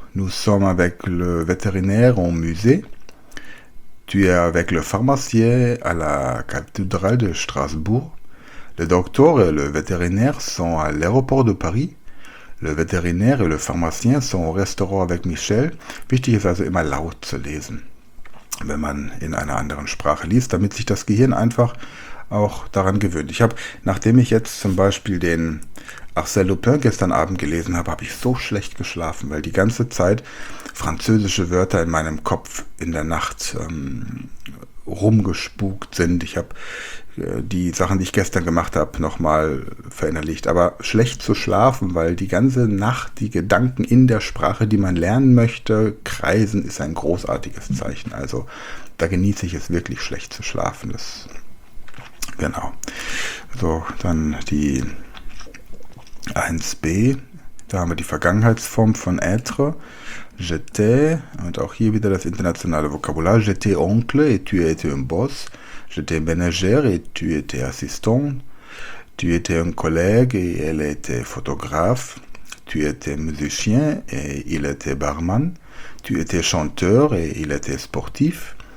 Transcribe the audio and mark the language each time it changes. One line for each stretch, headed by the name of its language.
French: Nous sommes avec le vétérinaire au musée. Tu es avec le pharmacien à la cathédrale de Strasbourg. Le docteur et le vétérinaire sont à l'aéroport de Paris. Le vétérinaire et le pharmacien sont au restaurant avec Michel.
German: Wichtig ist also immer laut zu lesen, wenn man in einer anderen Sprache liest, damit sich das Gehirn einfach auch daran gewöhnt. Ich habe, nachdem ich jetzt zum Beispiel den Arsène Lupin gestern Abend gelesen habe, habe ich so schlecht geschlafen, weil die ganze Zeit französische Wörter in meinem Kopf in der Nacht rumgespukt sind. Ich habe die Sachen, die ich gestern gemacht habe, nochmal verinnerlicht. Aber schlecht zu schlafen, weil die ganze Nacht die Gedanken in der Sprache, die man lernen möchte, kreisen, ist ein großartiges Zeichen. Also da genieße ich es wirklich, schlecht zu schlafen. Das, genau. So, dann die 1b. Da haben wir die Vergangenheitsform von être.
French: J'étais,
German: und auch hier wieder das internationale Vokabular.
French: J'étais oncle et tu étais un boss. J'étais ménagère et tu étais assistant. Tu étais un collègue et elle était photographe. Tu étais musicien et il était barman. Tu étais chanteur et il était sportif.